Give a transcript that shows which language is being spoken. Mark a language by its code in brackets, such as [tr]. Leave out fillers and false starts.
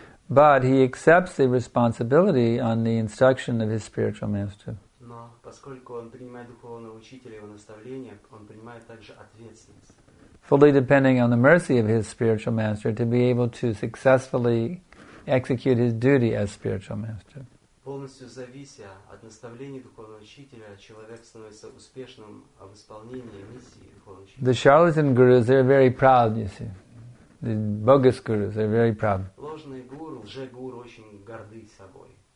[en] But he accepts the responsibility on the instruction of his spiritual master. [ru] Но поскольку он принимает духовного учителя и его наставления, он принимает также ответственность. [en] Fully depending on the mercy of his spiritual master to be able to successfully execute his duty as spiritual master. [ru] Полностью завися от наставления духовного учителя, человек становится успешным в исполнении миссии духовного учителя. [en] The charlatan gurus, they're very proud, you see. The bogus gurus, they're very proud. [ru] Ложные гуру, лже-гуру очень горды собой.